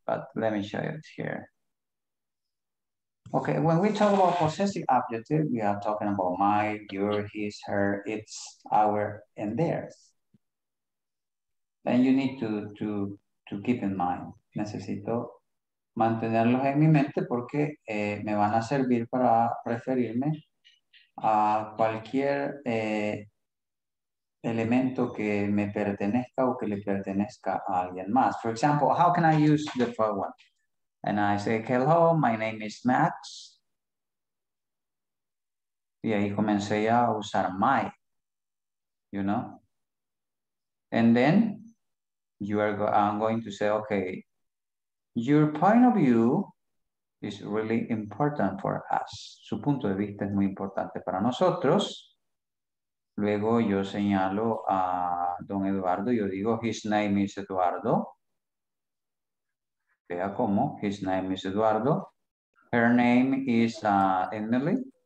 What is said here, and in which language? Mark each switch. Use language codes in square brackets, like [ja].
[en] But let me show you it here. Okay, when we talk about possessive adjective, we are talking about my, your, his, her, its, our, and theirs. And you need to keep in mind. [es] Necesito mantenerlos en mi mente porque me van a servir para referirme a cualquier elemento que me pertenezca o que le pertenezca a alguien más. [en] For example, how can I use the first one? And I say, hello, my name is Max. [es] Y ahí comencé ya a usar my, [en] you know? And then you are I'm going to say, okay, your point of view is really important for us. [es] Su punto de vista es muy importante para nosotros. Luego yo señalo a don Eduardo, yo digo, [en] his name is Eduardo. [es] Vea cómo, [en] his name is Eduardo. Her name is Emily.